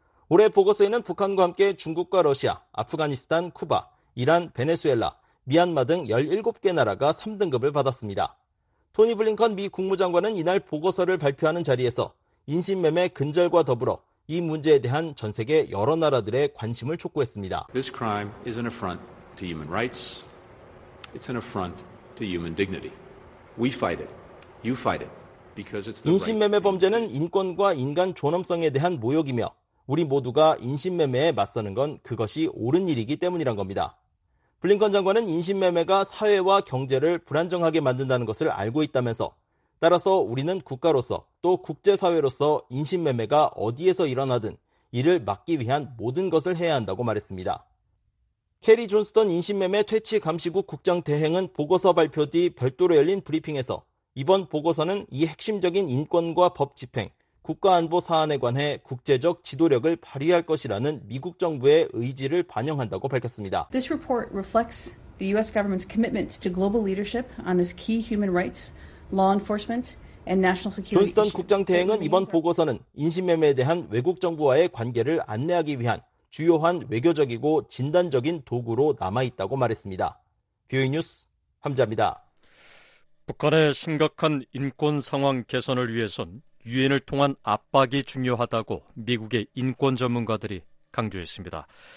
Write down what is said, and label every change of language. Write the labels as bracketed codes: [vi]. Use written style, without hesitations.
[ko] 올해 보고서에는 북한과 함께 중국과 러시아, 아프가니스탄, 쿠바, 이란, 베네수엘라, 미얀마 등 17개 나라가 3등급을 받았습니다. 토니 블링컨 미 국무장관은 이날 보고서를 발표하는 자리에서 인신매매 근절과 더불어 이 문제에 대한 전 세계 여러 나라들의 관심을 촉구했습니다. [en] This crime is an affront to human rights. It's an affront to human dignity. We fight it. You fight it. Because it's the [ko] 인신매매 범죄는 인권과 인간 존엄성에 대한 모욕이며 우리 모두가 인신매매에 맞서는 건 그것이 옳은 일이기 때문이란 겁니다. 블링컨 장관은 인신매매가 사회와 경제를 불안정하게 만든다는 것을 알고 있다면서 따라서 우리는 국가로서 또 국제사회로서 인신매매가 어디에서 일어나든 이를 막기 위한 모든 것을 해야 한다고 말했습니다. 캐리 존스턴 인신매매 퇴치 감시국 국장 대행은 보고서 발표 뒤 별도로 열린 브리핑에서 이번 보고서는 이 핵심적인 인권과 법 집행, 국가안보 사안에 관해 국제적 지도력을 발휘할 것이라는 미국 정부의 의지를 반영한다고 밝혔습니다. [en] This report reflects the U.S. government's commitment to global leadership on this key human rights, law enforcement, and national security. [ko] 존스턴 국장 대행은 이번 보고서는 인신매매에 대한 외국 정부와의 관계를 안내하기 위한 주요한 외교적이고 진단적인 도구로 남아있다고 말했습니다. 뷰이 뉴스 함자입니다. 북한의 심각한 인권 상황 개선을 위해선 유엔을 통한 압박이 중요하다고 미국의 인권 전문가들이 강조했습니다.